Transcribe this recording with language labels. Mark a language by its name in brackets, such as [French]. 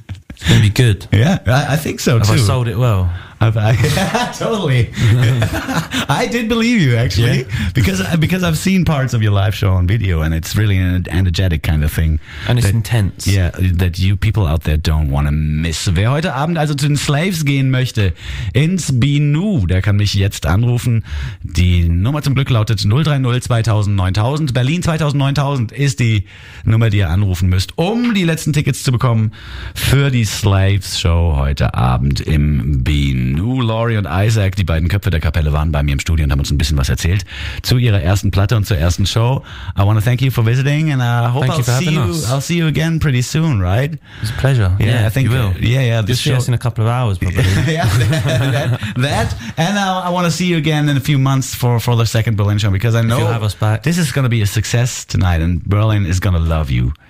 [English] It's going to be good. Yeah, I think so too. Have I sold it well? Totally. I did believe you, actually, because I've seen parts of your live show on video, and it's really an energetic kind of thing. And it's intense. Yeah, that you people out there don't want to miss. [German] Wer heute Abend also zu den Slaves gehen möchte, ins Binu, der kann mich jetzt anrufen. Die Nummer zum Glück lautet 030 2000 9000. Berlin 2000 9000 ist die Nummer, die ihr anrufen müsst, um die letzten Tickets zu bekommen für die Slaves-Show heute Abend im Binu. Nu, Laurie und Isaac, die beiden Köpfe der Kapelle, waren bei mir im Studio und haben uns ein bisschen was erzählt zu ihrer ersten Platte und zur ersten Show. [English] I want to thank you for visiting and I hope I'll see you again pretty soon, right? It's a pleasure. Yeah, I think you will. This show's in a couple of hours, probably. And I want to see you again in a few months for the second Berlin show, because I know if you have us back. This is going to be a success tonight and Berlin is going to love you.